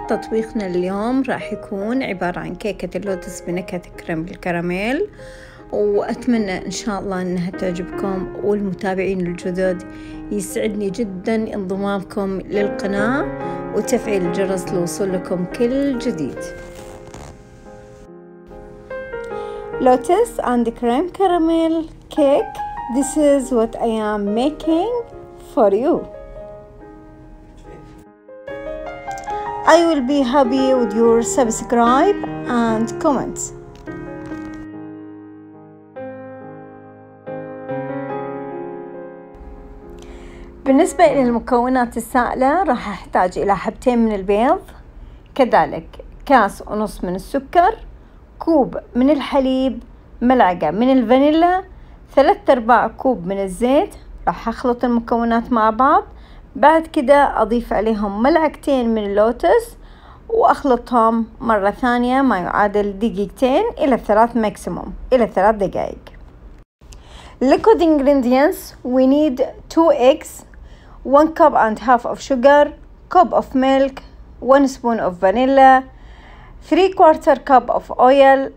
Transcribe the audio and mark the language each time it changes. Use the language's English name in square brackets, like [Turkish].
[Arabic] تطبيقنا اليوم راح يكون عبارة عن كيكة اللوتس بنكهة كريم الكراميل، وأتمنى إن شاء الله أنها تعجبكم والمتابعين الجدد. يسعدني جدا انضمامكم للقناة وتفعيل الجرس لوصولكم كل جديد. [English] Lotus and cream caramel cake. This is what I am making for you. I will be happy with your subscribe and comments. [Arabic] بالنسبة إلى المكونات السائلة، راح أحتاج إلى حبتين من البيض، كذلك كاس ونص من السكر، كوب من الحليب، ملعقة من الفانيلا، 3/4 كوب من الزيت. راح أخلط المكونات مع بعض، بعد كده أضيف عليهم ملعقتين من اللوتس وأخلطهم مرة ثانية ما يعادل 2 إلى 3 دقائق. [English] Liquid ingredients: we need 2 eggs, 1 1/2 cup of sugar, 1 cup of milk, 1 spoon of vanilla, 3/4 cup of oil.